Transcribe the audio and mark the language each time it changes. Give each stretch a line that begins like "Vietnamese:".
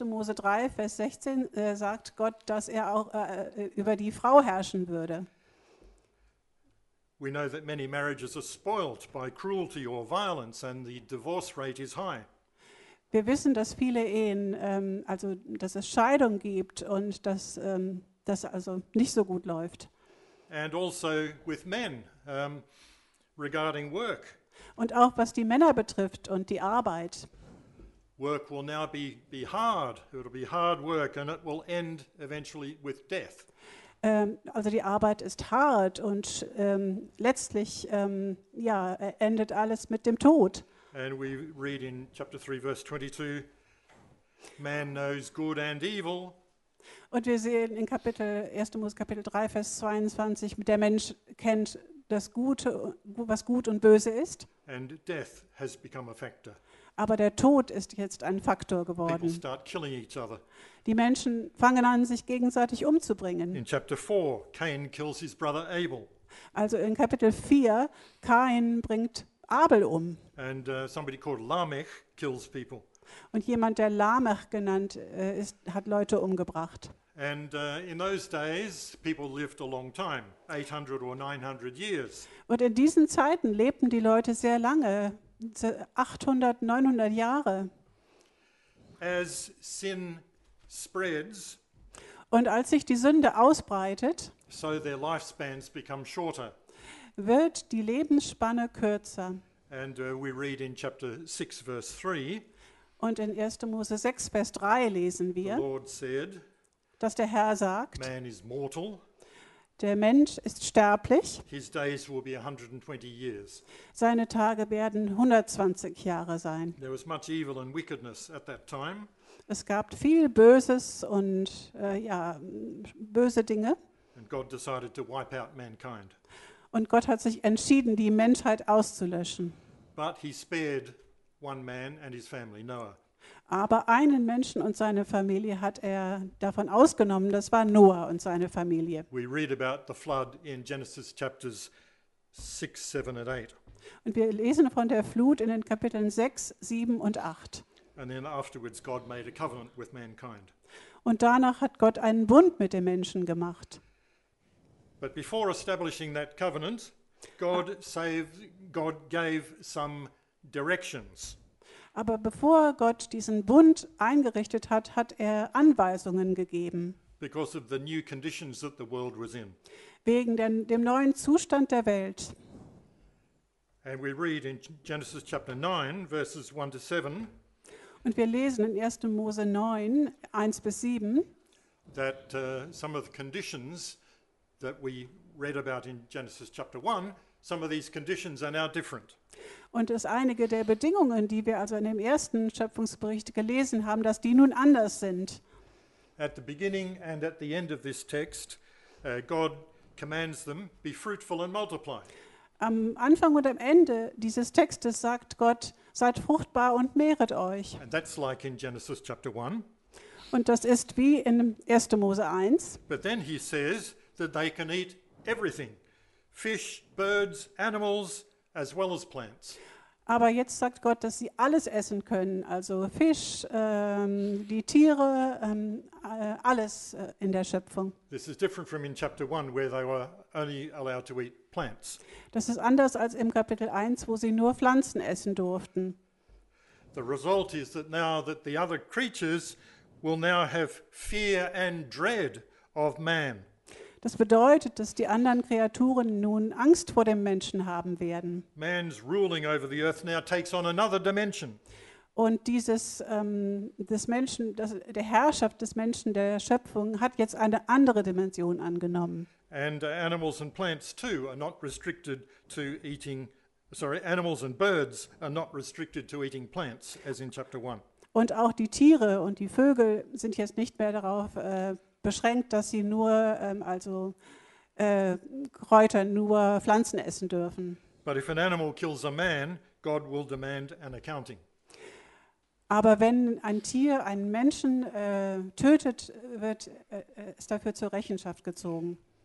German: Mose 3 vers 16 sagt Gott, dass er auch über die Frau herrschen würde.
English: We know that many marriages are spoiled by cruelty or violence and the divorce rate is high.
German: Wir wissen, dass viele Ehen also dass es Scheidung gibt und dass das also nicht so gut läuft.
English: And also with men regarding work.
German: Und auch was die Männer betrifft und die Arbeit.
English: Work will now be hard. It'll be hard work and it will end eventually with death.
German: Also die Arbeit ist hart und letztlich ja, endet alles mit dem Tod.
English: And we read in chapter 3 verse 22, man knows good and evil.
German: Und wir sehen in Kapitel 1. Mose Kapitel 3 vers 22, der Mensch kennt das Gute, was gut und böse ist.
English: And death has become a factor.
German: Aber der Tod ist jetzt ein Faktor geworden.
English: People start killing each other.
German: Die Menschen fangen an, sich gegenseitig umzubringen.
English: In chapter 4, Cain kills his brother Abel.
German: Also in Kapitel 4, Cain bringt Abel um.
English: And somebody called Lamech kills people.
German: Und jemand, der Lamech genannt ist, hat Leute umgebracht.
English: And in those days people lived a long time, 800 or 900 years.
German: Und in diesen Zeiten lebten die Leute sehr lange, 800, 900 Jahre.
English: As sin spreads,
German: und als sich die Sünde ausbreitet,
English: so their lifespans become shorter.
German: Wird die Lebensspanne kürzer.
English: And we read in chapter 6 verse 3.
German: Und in 1. Mose 6 vers 3 lesen wir.
English: The Lord said,
German: dass der Herr sagt,
English: man is mortal,
German: der Mensch ist sterblich,
English: his days will be 120 years.
German: Seine Tage werden 120 Jahre sein.
English: There was much evil and wickedness at that time.
German: Es gab viel Böses und ja, böse Dinge.
English: And God decided to wipe out mankind.
German: Und Gott hat sich entschieden, die Menschheit auszulöschen.
English: But he spared one man and his family, Noah.
German: Aber einen Menschen und seine Familie hat er davon ausgenommen, das war Noah und seine Familie.
English: We read about the flood in Genesis chapters 6, 7 and 8.
German: Und wir lesen von der Flut in den Kapiteln 6, 7 und 8.
English: And then afterwards God made a covenant with mankind.
German: Und danach hat Gott einen Bund mit dem Menschen gemacht.
English: But before establishing that covenant, God God gave some directions.
German: Aber bevor Gott diesen Bund eingerichtet hat, hat er Anweisungen gegeben.
English: Because of the new conditions that the world was in.
German: Wegen dem neuen Zustand der Welt.
English: And we read in Genesis chapter 9, verses 1 to 7.
German: Und wir lesen in 1. Mose 9, 1 bis 7.
English: That some of the conditions that we read about in Genesis chapter 1, some of these conditions are now different.
German: Und dass einige der Bedingungen, die wir also in dem ersten Schöpfungsbericht gelesen haben, dass die nun anders sind.
English: at the beginning and at the end of this text, God commands them, be fruitful and multiply.
German: Am Anfang und am Ende dieses Textes sagt Gott, seid fruchtbar und mehret euch.
English: And that's like in Genesis chapter 1.
German: Und das ist wie in 1. Mose 1.
English: But then he says that they can eat everything. Fish, birds, animals, as well as plants.
German: Aber jetzt sagt Gott, dass sie alles essen können, also Fisch, die Tiere, alles in der Schöpfung.
English: This is different from in chapter 1, where they were only allowed to eat plants.
German: Das ist anders als im Kapitel 1, wo sie nur Pflanzen essen durften.
English: The result is that now that the other creatures will now have fear and dread of man.
German: Das bedeutet, dass die anderen Kreaturen nun Angst vor dem Menschen haben werden.
English: Man's ruling over the earth now takes on another dimension.
German: Und dieses des Menschen, das, der Herrschaft des Menschen, der Schöpfung, hat jetzt eine andere Dimension angenommen.
English: And animals and plants too are not restricted to eating. Sorry, animals and birds are not restricted to eating plants, as in chapter 1.
German: Und auch die Tiere und die Vögel sind jetzt nicht mehr darauf beschränkt, dass sie nur Kräuter, nur Pflanzen essen dürfen.
English: But if an animal kills a man, God will demand an accounting.
German: Aber wenn ein Tier einen Menschen tötet, wird es dafür zur Rechenschaft gezogen.